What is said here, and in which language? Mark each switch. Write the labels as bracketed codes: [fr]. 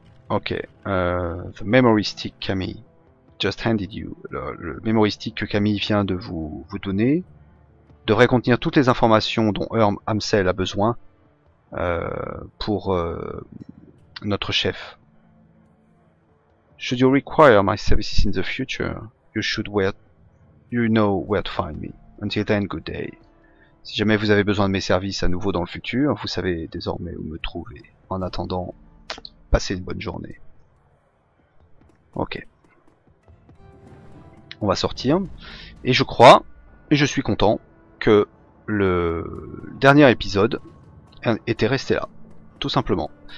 [en] Ok, the memoristick Camille just handed you. [fr] Le memoristick que Camille vient de vous donner devrait contenir toutes les informations dont Herm Hamsel a besoin pour notre chef. [en] Should you require my services in the future, you know where to find me. Until then, good day. [fr] Si jamais vous avez besoin de mes services à nouveau dans le futur, vous savez désormais où me trouver. En attendant, passez une bonne journée. Ok. On va sortir. Et je crois, et je suis content, que le dernier épisode était resté là. Tout simplement.